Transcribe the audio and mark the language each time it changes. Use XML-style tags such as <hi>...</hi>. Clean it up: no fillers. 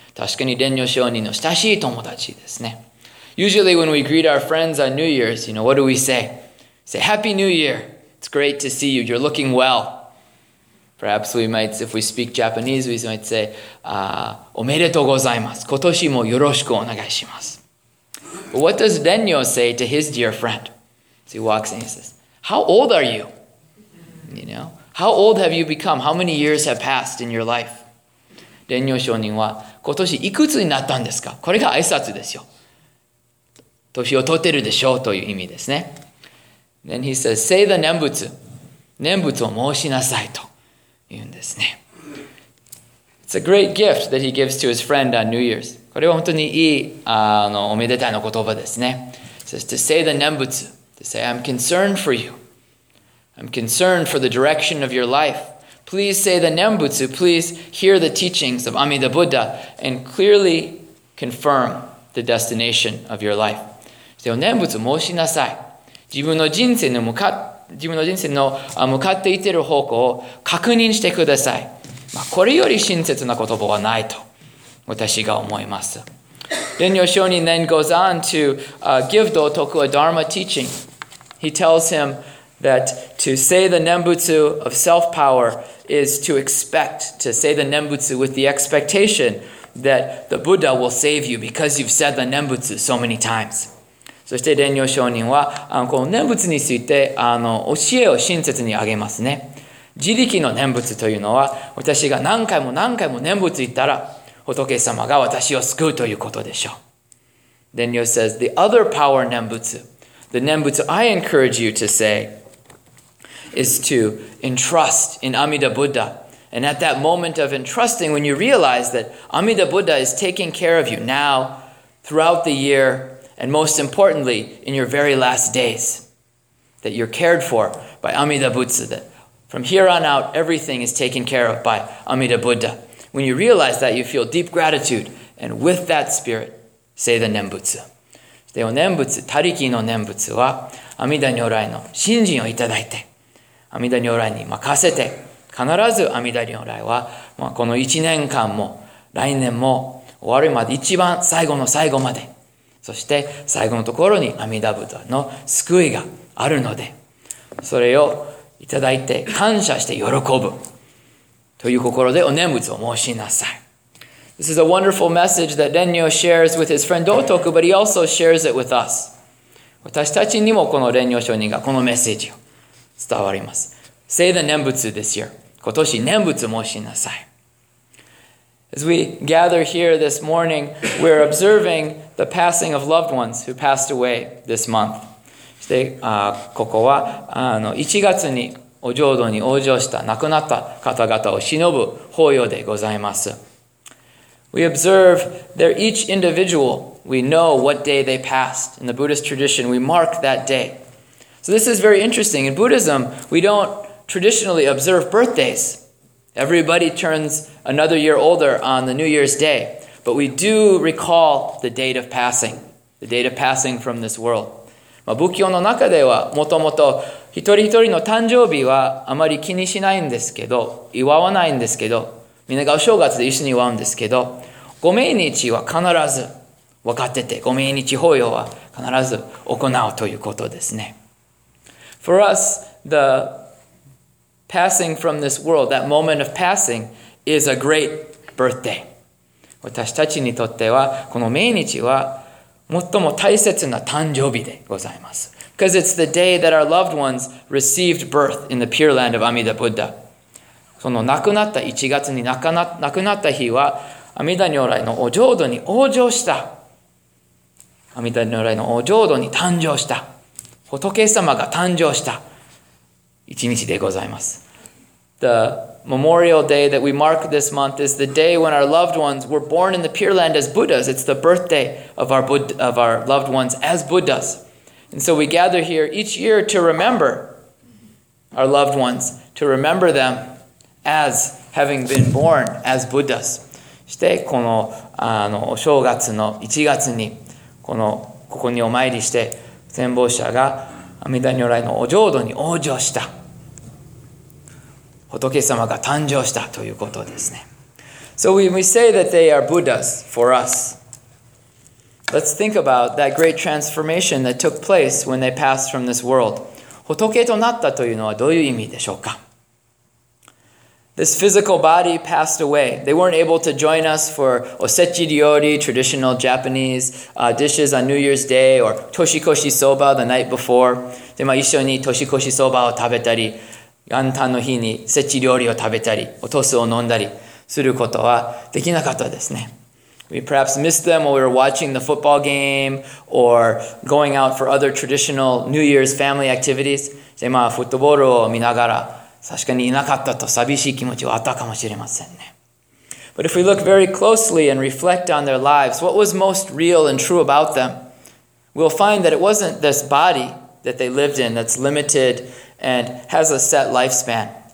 <ja>確かに蓮如上人の親しい友達ですね。</ja> <en>Usually when we greet our friends on New Year's, you know, what do we say? Say, Happy New Year! It's great to see you. You're looking well. Perhaps we might, if we speak Japanese, we might say,</en> <ja>おめでとうございます。今年もよろしくお願いします。</ja> <en>What does Denyo say to his dear friend? So he walks in and says, How old are you? You know, how old have you become? How many years have passed in your life?</en> <ja>Denyo 上人は、今年いくつになったんですか?これが挨拶ですよ。年を取ってるでしょうという意味ですね。</ja> <en>Then he says, Say the 念仏。</en> <ja>念仏を申しなさいと言うんですね。</ja> <en>It's a great gift that he gives to his friend on New Year's.</en> <ja>これは本当にいいおめでたいの言葉ですね。</ja> <en>It says to say the 念仏, to say I'm concerned for you. I'm concerned for the direction of your life. Please say the 念仏, please hear the teachings of Amida Buddha and clearly confirm the destination of your life.</en> <ja>そして念仏申しなさい。自分の人生の向かっていってる方向を確認してください。まあ、これより親切な言葉はないと私が思います。</ja> <en>蓮如上人 then goes on to give Dō Toku a Dharma teaching. He tells him that to say the 念仏 of self-power is to expect to say the 念仏 with the expectation that the Buddha will save you because you've said the 念仏 so many times.</en> <ja>そして蓮如上人はこの念仏について教えを親切にあげますね。自力の念仏というのは、私が何回も何回も念仏言ったら、仏様が私を救うということでしょう。</ja> <en>Then you says, the other power 念仏, the 念仏 I encourage you to say, is to entrust in Amida Buddha. And at that moment of entrusting, when you realize that Amida Buddha is taking care of you now, throughout the year, and most importantly, in your very last days, that you're cared for by Amida Butsu, thatFrom here on out, everything is taken care of by Amida Buddha. When you realize that, you feel deep gratitude. And with that spirit, say the 念仏.</en> <ja>で、念仏、他力の念仏は、阿弥陀如来の信心をいただいて、阿弥陀如来に任せて、必ず阿弥陀如来は、まあ、この一年間も、来年も、終わるまで、一番最後の最後まで、そして最後のところに阿弥陀仏の救いがあるので、それをいただいて感謝して喜ぶという心でお念仏を申しなさい。</ja> <en>This is a wonderful message that Denyo shares with his friend Dō Toku, but he also shares it with us.</en> <ja>私たちにもこの蓮如上人がこのメッセージを伝わります。</ja> <en>Say the 念仏 this year.</en> <ja>今年念仏申しなさい。</ja> <en>As we gather here this morning, we're observing the passing of loved ones who passed away this month.</en> <ja>で、ここは1月にお浄土に往生した亡くなった方々を偲ぶ法要でございます。</ja> <en>We observe their each individual We know what day they passed. In the Buddhist tradition, we mark that day. So this is very interesting. In Buddhism, we don't traditionally observe birthdays. Everybody turns another year older on the New Year's Day. But we do recall the date of passing. The date of passing from this world.</en> <ja>まあ、仏教の中ではもともと一人一人の誕生日はあまり気にしないんですけど、祝わないんですけど、みんながお正月で一緒に祝うんですけど、ご命日は必ず分かってて、ご命日法要は必ず行うということですね。</ja> <en>For us, the passing from this world, that moment of passing, is a great birthday.</en> <ja>私たちにとってはこの命日は最も大切な誕生日でございます。</ja> <en>Because it's the day that our loved ones received birth in the Pure Land of Amida Buddha.</en> <ja>その亡くなった1月に亡くなった日は、阿弥陀如来のお浄土に往生した。阿弥陀如来のお浄土に誕生した。仏様が誕生した一日でございます。</ja> <en>The memorial day that we mark this month is the day when our loved ones were born in the Pure Land as Buddhas. It's the birthday of our loved ones as Buddhas. And so we gather here each year to remember our loved ones, to remember them as having been born as Buddhas.</en> <ja>そしてこの、お正月の1月にここにお参りして、戦没者が阿弥陀如来のお浄土に往生した。仏様が誕生したということですね。</ja> <en>So when we say that they are Buddhas for us, let's think about that great transformation that took place when they passed from this world.</en> <ja>仏となったというのはどういう意味でしょうか?</ja> <en>This physical body passed away. They weren't able to join us for osechi ryori, traditional Japanese dishes on New Year's Day, or toshikoshi soba the night before.</en> <ja>で、まあ、一緒に toshikoshi soba を食べたり、元旦の日に節地料理を食べたり、お年を飲んだりすることはできなかったですね。</ja> <en>We perhaps missed them while we were watching the football game or going out for other traditional New Year's family activities.</en> <ja>で、まあ、フットボールを見ながら、確かにいなかったと寂しい気持ちはあったかもしれませんね。</ja> <en>But if we look very closely and reflect on their lives, what was most real and true about them, we'll find that it wasn't this body that they lived in that's limited and has a set lifespan.</en>